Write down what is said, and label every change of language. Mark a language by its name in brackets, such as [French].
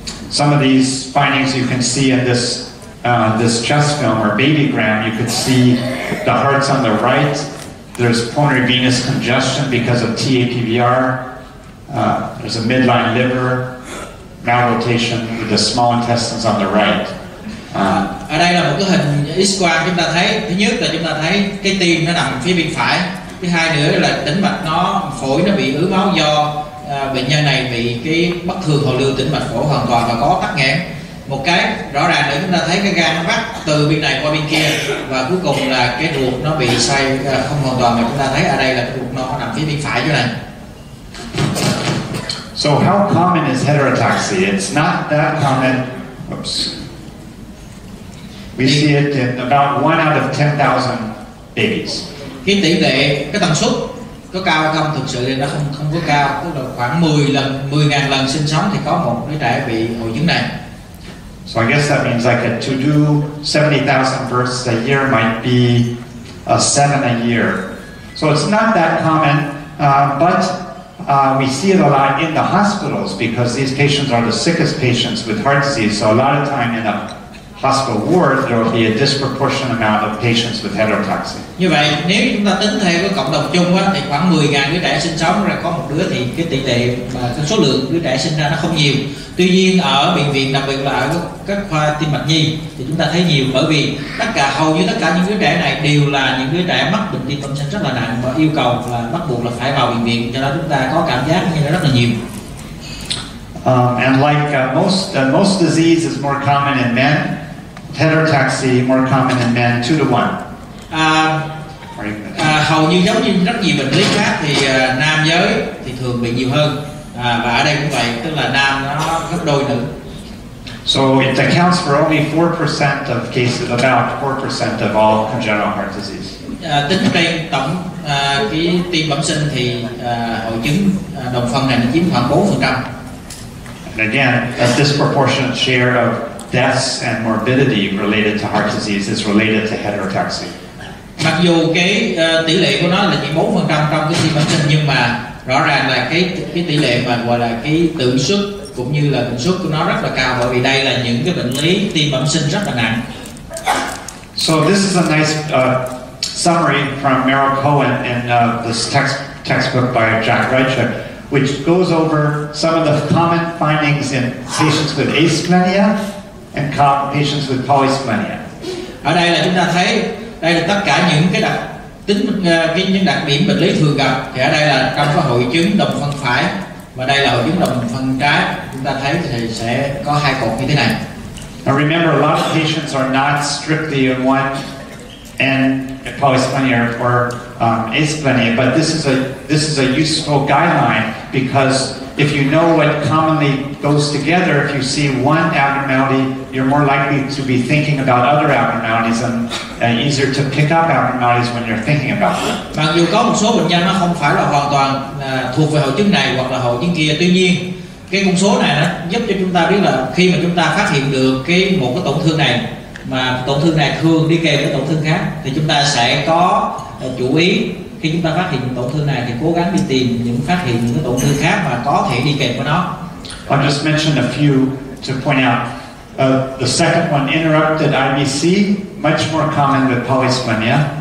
[English] Some of these findings you can see in this this chest film or baby gram. You could see the hearts on the right. There's pulmonary venous congestion because of TAPVR. There's a midline liver malrotation with the small intestines on the right. [Vietnamese] Ở đây là một cái hình X quang chúng ta thấy. Thứ nhất là chúng ta thấy cái tim nó nằm phía bên phải. Thứ hai nữa là tĩnh mạch nó, phổi nó bị ứ máu do bệnh nhân này bị cái bất thường hồ lưu tĩnh mạch phổi hoàn toàn và có tắc nghẽn. Một cái rõ ràng nữa chúng ta thấy cái gan nó bắt từ bên này qua bên kia và cuối cùng là cái ruột nó bị xoay không hoàn toàn, mà chúng ta thấy ở đây là cái ruột nó nằm phía bên phải chỗ này. [English] So how common is heterotaxy? It's not that common. Oops. We see it in about 1 out of 10,000 babies. [Vietnamese] Cái tỷ lệ, cái tần suất có cao hay không thực sự thì nó không có cao, tức là khoảng 10 ngàn lần sinh sống thì có một đứa trẻ bị hội chứng này. [English] So I guess that means like to do 70,000 births a year might be a 7 a year. So it's not that common, but we see it a lot in the hospitals because these patients are the sickest patients with heart disease. So a lot of time in a hospital ward, there will be a disproportionate amount of patients with heterotaxy. [Vietnamese] Như vậy, nếu chúng ta tính theo cái cộng đồng chung á, thì khoảng 10.000 đứa trẻ sinh sống rồi có một đứa thì cái tỷ lệ mà cái số lượng đứa trẻ sinh ra nó không nhiều. Tuy nhiên ở bệnh viện, đặc biệt là ở các khoa tim mạch nhi thì chúng ta thấy nhiều, bởi vì tất cả hầu như tất cả những đứa trẻ này đều là những đứa trẻ mắc bệnh tim bẩm sinh rất là nặng và yêu cầu là bắt buộc là phải vào bệnh viện, cho nên chúng ta có cảm giác như là rất là nhiều. [English] And like most disease is more common in men. Heterotaxy more common in men, 2 to 1. [Vietnamese] Hầu như giống như rất nhiều bệnh lý khác thì nam giới thì thường bị nhiều hơn, và ở đây cũng vậy, tức là nam nó gấp đôi nữ. [English] So it accounts for only 4% of cases, about 4% of all congenital heart disease. [Vietnamese] Tính trên tổng cái tim bẩm sinh thì hội chứng đồng phân này chiếm khoảng 4%. [English] And again, a disproportionate share of deaths and morbidity related to heart disease is related to heterotaxy. [Vietnamese] Mặc dù cái tỷ lệ của nó là chỉ 4% trong cái tim bẩm sinh, nhưng mà rõ ràng là cái tỷ lệ mà gọi là cái tử suất cũng như là tử suất của nó rất là cao, bởi vì đây là những cái bệnh lý tim bẩm sinh rất là nặng. [English] So this is a nice summary from Merrill Cohen in this textbook by Jack Reichert, which goes over some of the common findings in patients with asplenia and patients with polysplenia. [Vietnamese] Ở đây là chúng ta thấy đây là tất cả những cái đặc tính cái những đặc điểm bệnh lý thường gặp. Thì ở đây là trong cái hội chứng đồng phân phải và đây là hội chứng đồng phân trái. Chúng ta thấy thì sẽ có hai cột như thế này. [English] Now remember, a lot of patients are not strictly in one and polysplenia or asplenia, but this is a useful guideline because if you know what commonly goes together, if you see one abnormality, you're more likely to be thinking about other abnormalities and easier to pick up abnormalities when you're thinking about them. [Vietnamese] Mặc dù có một số bệnh nhân nó không phải là hoàn toàn thuộc về hội chứng này hoặc là hội chứng kia, tuy nhiên cái con số này nó giúp cho chúng ta biết là khi mà chúng ta phát hiện được cái một cái tổn thương này, mà tổn thương này thường đi kèm với tổn thương khác, thì chúng ta sẽ có chú ý khi chúng ta phát hiện tổn thương này thì cố gắng đi tìm những phát hiện những tổn thương khác mà có thể đi kèm với nó. [English] I'll just mention a few to point out. The second one, interrupted IVC, much more common with polysplenia.